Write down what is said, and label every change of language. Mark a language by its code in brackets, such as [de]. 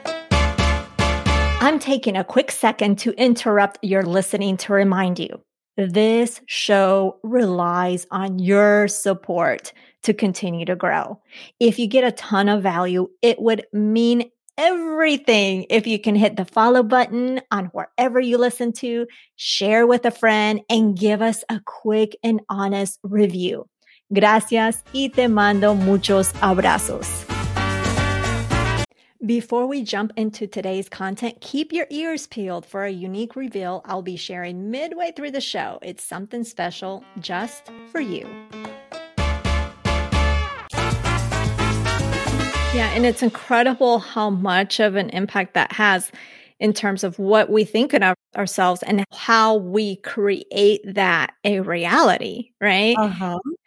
[en] I'm taking a quick second to interrupt your listening to remind you, this show relies on your support to continue to grow. If you get a ton of value, it would mean everything if you can hit the follow button on wherever you listen to, share with a friend, and give us a quick and honest review. [es] Gracias y te mando muchos abrazos. [en] Before we jump into today's content, keep your ears peeled for a unique reveal I'll be sharing midway through the show. It's something special just for you. Yeah, and it's incredible how much of an impact that has in terms of what we think of ourselves and how we create that a reality, right? Uh-huh.